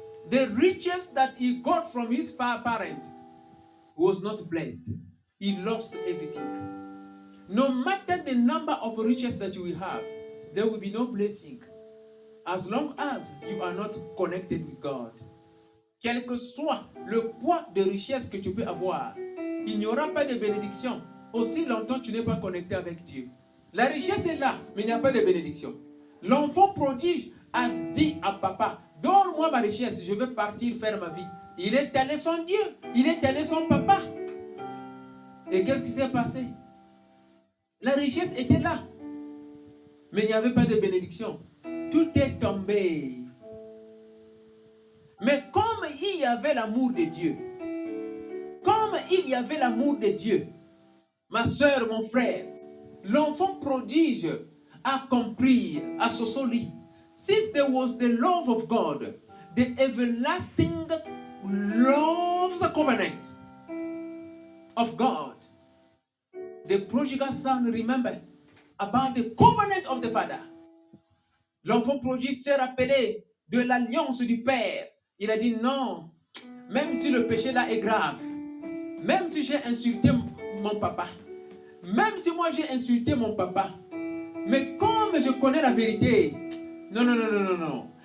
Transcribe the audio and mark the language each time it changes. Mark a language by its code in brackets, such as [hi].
[en] The riches that he got from his parent was not blessed. He lost everything. No matter the number of riches that you will have, there will be no blessing as long as you are not connected with God. [fr] Quel que soit le poids de richesse que tu peux avoir, il n'y aura pas de bénédiction aussi longtemps que tu n'es pas connecté avec Dieu. La richesse est là, mais il n'y a pas de bénédiction. L'enfant prodige a dit à papa, Donne-moi ma richesse, je veux partir faire ma vie. Il est allé son Dieu, il est allé son papa. Et qu'est-ce qui s'est passé? La richesse était là, mais il n'y avait pas de bénédiction. Tout est tombé. Mais comme il y avait l'amour de Dieu, comme il y avait l'amour de Dieu, ma soeur, mon frère, l'enfant prodige a compris à ce soli. [en] Since there was the love of God, the everlasting love's covenant of God, the prodigal son remembered about the covenant of the father. [fr] L'enfant prodige s'est rappelé de l'alliance du père. Il a dit non, même si le péché là est grave, même si j'ai insulté mon papa, même si moi j'ai insulté mon papa, mais comme je connais la vérité, non.